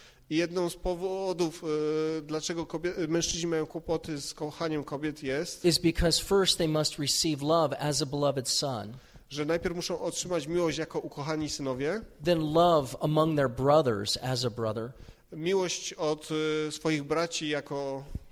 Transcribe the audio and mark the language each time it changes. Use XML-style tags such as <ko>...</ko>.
<pl>Jedną z powodów, dlaczego mężczyźni mają kłopoty z kochaniem kobiet, jest</pl> <en>is because first they must receive love as a beloved son.</en> <pl>Że najpierw muszą otrzymać miłość jako ukochani synowie.</pl> <en>Then love among their brothers as a brother.</en> <pl>Miłość od swoich braci jako</pl>